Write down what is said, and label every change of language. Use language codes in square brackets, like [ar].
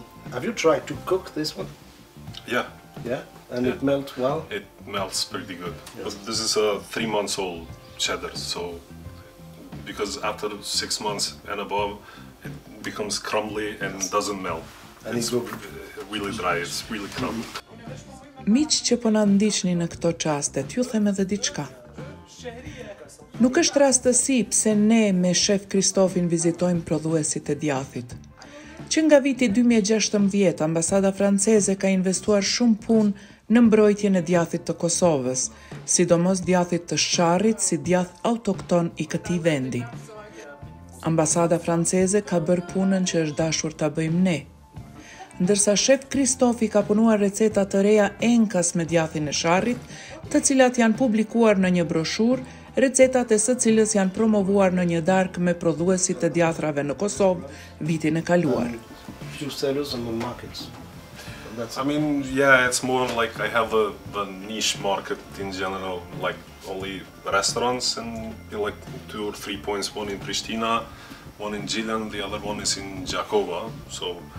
[en] Have you tried to cook this one? Yeah. Yeah? And yeah. It melts well? It melts pretty good. Yes. But this is a 3 months old cheddar, so because after 6 months and above, it becomes crumbly and doesn't melt. And it's really dry, it's really crumbly. [sq] Miq që po na ndiqni në këto çaste, t'ju them edhe diçka. Nuk është rastësi pse ne me shef Kristofin vizitojmë prodhuesit e djathit. Që nga viti 2016, ambasada franceze ka investuar shumë punë në mbrojtjen e djathit të Kosovës, sidomos djathit të sharrit si djath autokton i këtij vendi. Ambasada franceze ka bërë punën që është dashur ta bëjmë ne. Ndërsa shef Kristofi ka punuar receta të reja enkas me djathin e sharrit, të cilat janë publikuar në një broshur, recetat e së cilës janë promovuar në një dark me prodhuesit të djathrave në Kosovë vitin e kaluar. [en] Few sellers on the markets. That's I mean, yeah, it's more like I have the niche market in general, like only restaurants and like two or three points, one in Pristina, one in Gjilan, the other one is in Gjakova, so...